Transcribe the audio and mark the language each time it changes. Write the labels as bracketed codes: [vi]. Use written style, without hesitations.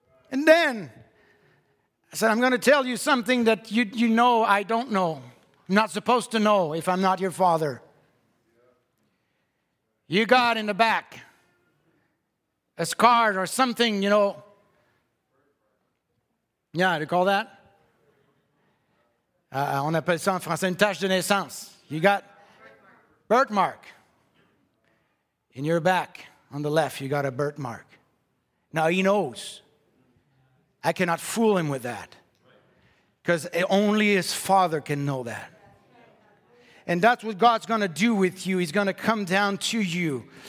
[en] And then I said, "I'm going to tell you something that you know I don't know. I'm not supposed to know if I'm not your father. You got in the back a scar or something, you know." Yeah, do you call that? [fr] On appelle ça en français une tache de naissance. [en] You got birthmark. In your back, on the left, you got a birthmark. Now he knows. I cannot fool him with that. Because only his father can know that. And that's what God's going to do with you. He's going to come down to you.